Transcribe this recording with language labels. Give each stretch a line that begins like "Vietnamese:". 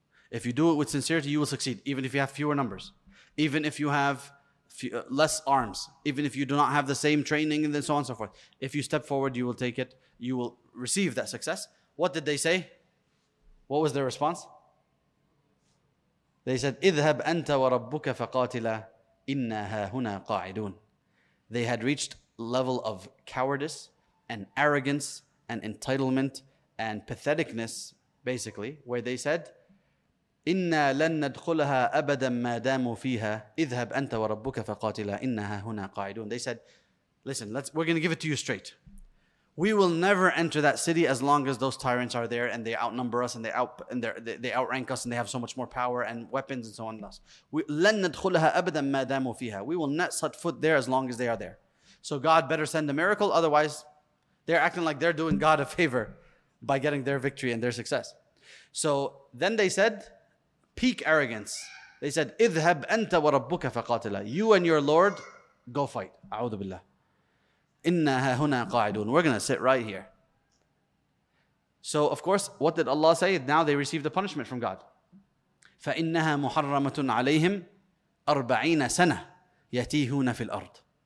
English: If you do it with sincerity, you will succeed, even if you have fewer numbers. Even if you have less arms. Even if you do not have the same training and so on and so forth. If you step forward, you will take it. You will receive that success. What did they say? What was their response? They said,
Arabic: اذهب أنت وربك فقاتلا إنا هاهنا قاعدون.
English: They had reached level of cowardice and arrogance and entitlement and patheticness basically, where they said,
Arabic: إِنَّا لَن نَدْخُلَهَا أَبَدًا مَا دَامُوا فِيهَا إِذْهَبْ أَنْتَ وَرَبُّكَ فَقَاتِلَا إِنَّهَا هُنَا قَاعِدُونَ.
English: They said, listen, we're going to give it to you straight. We will never enter that city as long as those tyrants are there and they outnumber us and they outrank us and they have so much more power and weapons and so on.
Arabic: لَن نَدْخُلَهَا أَبَدًا مَا دَامُوا فِيهَا.
English: We will not set foot there as long as they are there. So God better send a miracle, otherwise they're acting like they're doing God a favor by getting their victory and their success. So then they said, peak arrogance. They said,
Arabic: اِذْهَبْ أَنْتَ وَرَبُّكَ فَقَاتِلَا.
English: You and your Lord, go fight.
Arabic: أعوذ بالله. إِنَّهَا هُنَا قَاعِدُونَ.
English: We're going to sit right here. So of course, what did Allah say? Now they receive the punishment from God.
Arabic: فَإِنَّهَا مُحَرَّمَةٌ عَلَيْهِمْ 40 سَنَةً يَتِيهُونَ فِي الْأَرْضِ.